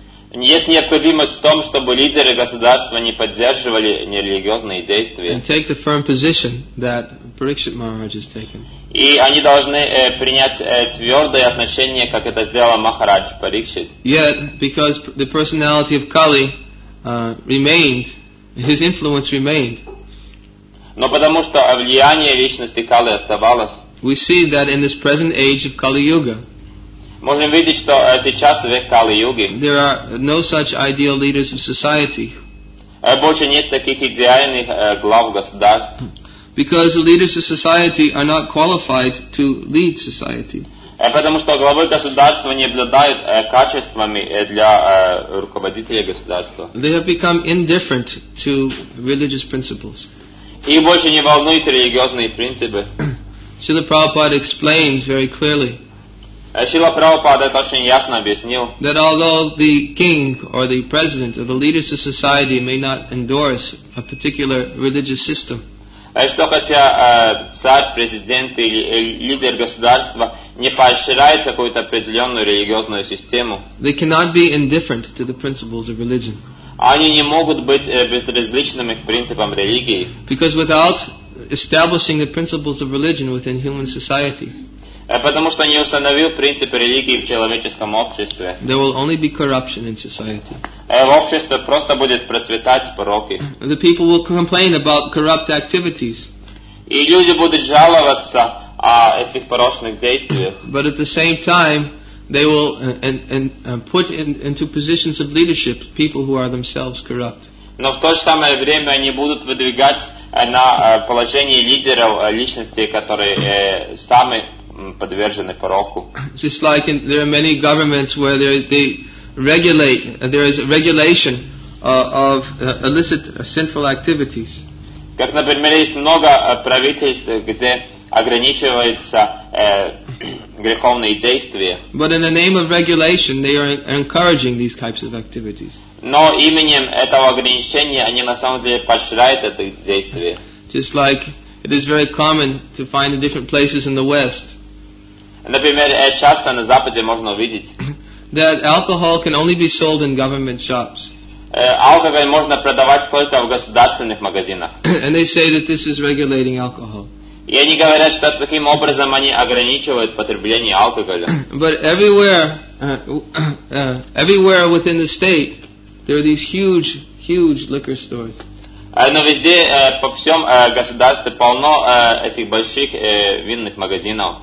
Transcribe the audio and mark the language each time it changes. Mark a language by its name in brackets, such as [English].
[Russian] Есть необходимость в том, чтобы лидеры государства не поддерживали нерелигиозные действия. [English] And take the firm position that Parikshit Maharaj has taken. [Russian] И они должны принять твердое отношение, как это сделала Махарадж Парикшит. [English] Yet, because the personality of Kali remained, his influence remained. [Russian] Но потому что влияние личности Кали оставалось. [English] We see that in this present age of Kali Yuga. [Russian] Можем видеть, что сейчас век Кали Юги. [English] There are no such ideal leaders of society. [Russian] Больше нет таких идеальных глав государств. [English] Because the leaders of society are not qualified to lead society. [Russian] Потому что главы государства не обладают качествами для руководителя государства. [English] They have become indifferent to religious principles. [Russian] И больше не волнуют религиозные принципы. [English] Srila Prabhupada explains very clearly. [Russian] Srila Prabhupada это очень ясно объяснил. [English] That although the king or the president or the leaders of society may not endorse a particular religious system. [Russian] Что хотя царь, президент или лидер государства не поощряет какую-то определенную религиозную систему, [English] they cannot be indifferent to the principles of religion. [Russian] Они не могут быть безразличными к принципам религии. [English] Because without establishing the principles of religion within human society, [Russian] потому что не установил принципы религии в человеческом обществе, [English] there will only be corruption in society. [Russian] В обществе просто будет процветать пороки. [English] The people will complain about corrupt activities. [Russian] И люди будут жаловаться о этих порочных действиях. [English] But at the same time, they will put into positions of leadership people who are themselves corrupt. [Russian] Но в то же самое время они будут выдвигать на положение лидеров личности, которые сами подвержены пороку. [English] Just like there are many governments where they regulate, there is a regulation of illicit sinful activities. [Russian] Как, например, есть много правительств, где ограничиваются греховные действия. [English] But in the name of regulation, they are encouraging these types of activities. [Russian] Но именем этого ограничения они на самом деле поощряют это действие. [English] Just like it is very common to find in different places in the West. [Russian] Например, часто на Западе можно увидеть. [English] That alcohol can only be sold in government shops. [Russian] Алкоголь можно продавать только в государственных магазинах. [English] And they say that this is regulating alcohol. [Russian] И они говорят, что таким образом они ограничивают потребление алкоголя. [English] But everywhere within the state, there are these huge, huge liquor stores. [Russian] Но везде, по всем государстве полно этих больших винных магазинов.